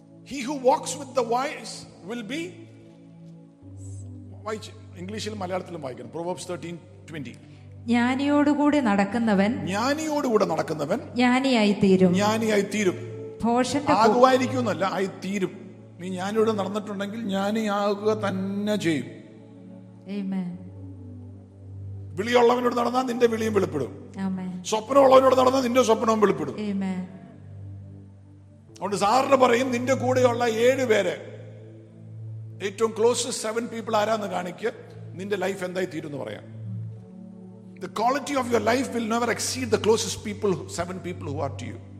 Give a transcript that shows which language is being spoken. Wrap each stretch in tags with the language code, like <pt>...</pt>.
<en>He who walks with the wise will be</en> <ml>വായിച്ച് ഇംഗ്ലീഷിലും മലയാളത്തിലും വായിക്കണം. പ്രൊവേർബ്സ് 13:20. ജ്ഞാനിയോടുകൂടെ നടക്കുന്നവൻ ജ്ഞാനിയോടുകൂടെ നടക്കുന്നവൻ ജ്ഞാനിയായി തീരും. ജ്ഞാനിയായി തീരും. ഭോഷന്റെ ആകുവായിരിക്കും എന്നല്ല, ആയി തീരും. നീ ജ്ഞാനിയോട് നടന്നിട്ടുണ്ടെങ്കിൽ ജ്ഞാനിയാകുക തന്നെ ചെയ്യും. ആമേൻ. വിളിയുള്ളവനോട് നടന്നാൽ നിന്റെ വിളിയും വെളിപ്പെടും. സ്വപ്നമുള്ളവനോട് നടന്നാൽ നിന്റെ സ്വപ്നവും വെളിപ്പെടും. അതുകൊണ്ട് സാറിന് പറയും, നിന്റെ കൂടെയുള്ള 7 പേരെ, ഏറ്റവും</ml> <en>closest 7 people</en> <ml>ആരാന്ന് കാണിക്ക, നിന്റെ ലൈഫ് എന്തായി തീരുമെന്ന് പറയാം.</ml> <en>The quality of your life will never exceed the closest people, 7 people who are to you.</en>